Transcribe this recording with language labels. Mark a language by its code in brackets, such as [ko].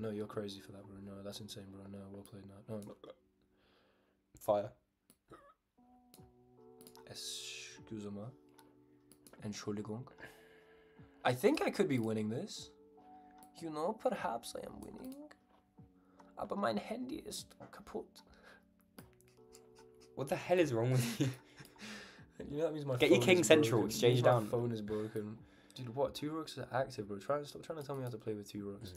[en] No, you're crazy for that, bro. No, that's insane, bro. No, well played, no. No. Fire. [fr] Excuse-moi. [de] Entschuldigung. [en] I think I could be winning this. You know, perhaps I am winning. But [de] mein Handy ist kaputt. [en] What the hell is wrong with you? You know, that means my phone. Get your King Central exchange down. My phone is broken. Dude, what? Two rooks are active, bro. Stop trying to tell me how to play with two rooks.